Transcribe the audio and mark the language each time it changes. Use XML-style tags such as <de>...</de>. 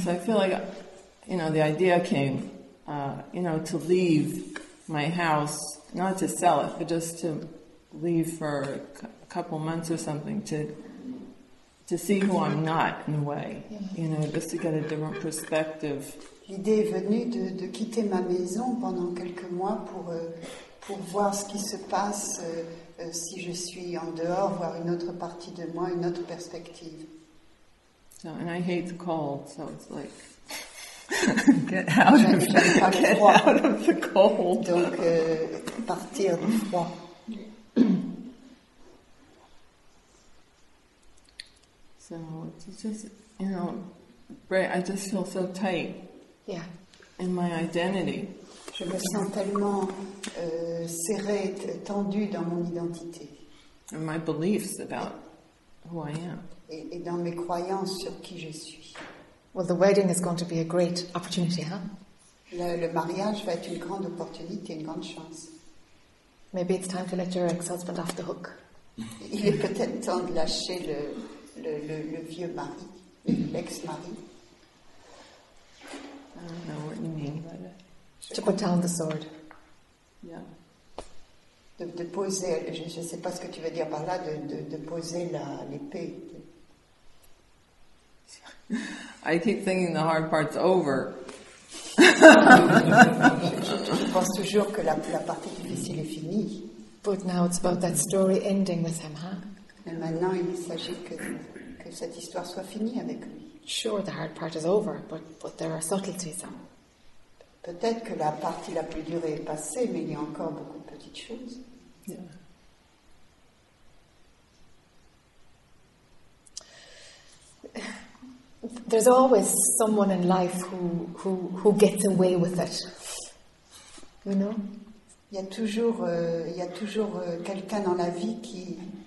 <en>So I feel like, you know, the idea came, you know, to leave my house, not to sell it, but just to leave for a couple months or something to see who I'm not in a way, you know, just to get a different perspective.</en> <fr>L'idée est venue de quitter ma maison pendant quelques mois pour voir ce qui se passe. Si je suis en dehors, voir une autre partie de moi, une autre perspective.</fr> <en>So, and I hate the cold, so it's like get out of the cold.</en> <fr>Donc partir du froid.</fr> <en>So it's just, you know, right, I just feel so tight. Yeah. In my identity.</en> <fr>Je me sens tellement serrée, tendue dans mon identité.</fr> <en>And my beliefs about who I am.</en> <fr>Et dans mes croyances sur qui je suis.</fr> <en>Well, the wedding is going to be a great opportunity, huh?</en> <fr>Le mariage va être une grande opportunité, une grande chance.</fr> <en>Maybe it's time to let your ex-husband off the hook.</en> <fr>Il est peut-être temps de lâcher le vieux mari, l'ex-mari.</fr> <en>I don't know what you mean by that. To put down the sword. Yeah.</en> <fr>De poser, je ne sais pas ce que tu veux dire par là, de poser l'épée.</fr> <en>I keep thinking the hard part's over.</en> <fr>je pense toujours que la partie difficile est finie.</fr> <en>But now it's about that story ending with him, huh?</en> <fr>Mais maintenant, il s'agit que cette histoire soit finie avec lui.</fr> <en>Sure, the hard part is over, but there are subtleties, huh?</en> <fr>Peut-être que la partie la plus dure est passée, mais il y a encore beaucoup de petites choses.</fr> <en>Yeah. There's always someone in life who gets away with it. You know?</en> <fr>Il y a toujours quelqu'un dans la vie qui...</fr>